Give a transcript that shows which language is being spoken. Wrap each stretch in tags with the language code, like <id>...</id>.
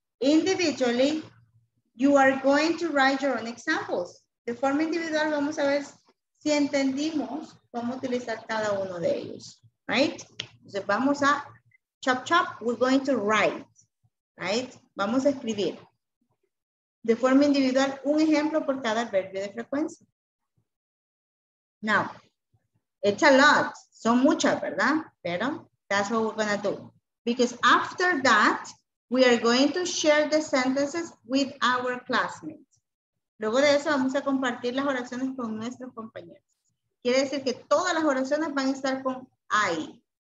<en>Individually, you are going to write your own examples.</en> <es>De forma individual, vamos a ver si entendimos cómo utilizar cada uno de ellos, right?</es> <en>So,</en> <es>vamos a</es> <en>chop chop, we're going to write, right?</en> <es>Vamos a escribir. De forma individual, un ejemplo por cada adverbio de frecuencia.</es> <en>Now, it's a lot,</en> <es>son muchas, ¿verdad?</es> <en>Pero that's what we're gonna do. Because after that, we are going to share the sentences with our classmates.</en> <es>Luego de eso, vamos a compartir las oraciones con nuestros compañeros. Quiere decir que todas las oraciones van a estar con I.</es>